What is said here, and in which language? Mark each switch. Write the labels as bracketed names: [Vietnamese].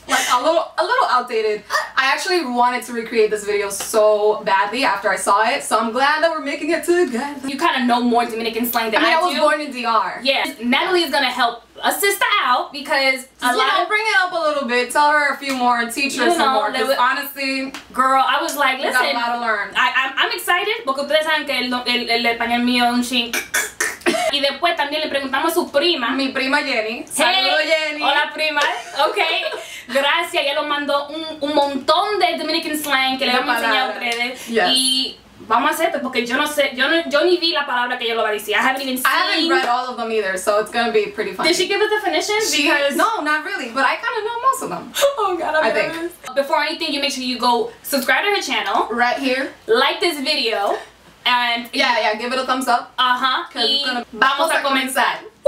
[English] Like a little outdated. I actually wanted to recreate this video so badly after I saw it. So I'm glad that we're making it together. You kind of know more Dominican slang than I do. I was born in DR. Yeah. Natalie is going to help assist her out because bring it up a little bit. Tell her a few more and teach her some more. Honestly, girl, I was like, listen. You got a lot to learn. I'm excited. [Spanish] Porque ustedes saben que el español mío es un ching. Y después también le preguntamos a su prima. Mi prima Jenny. Saludos, [English] hey. Jenny. [Spanish] Hola, prima. Okay. Gracias. Ella nos mandó un montón de Dominican slang que le vamos a enseñar a ustedes. [English] Yes. [Spanish] Y vamos a hacerte porque yo no sé, yo ni vi la palabra que ella lo va a decir. [English] I haven't read all of them either, so it's gonna be pretty funny. Did she give a definition? No, not really, but I kind of know most of them. Oh god, I'm nervous. Before anything, you make sure you go subscribe to her channel. Right here. Like this video. And yeah, give it a thumbs up. Uh-huh. [Spanish] Cause vamos a comenzar.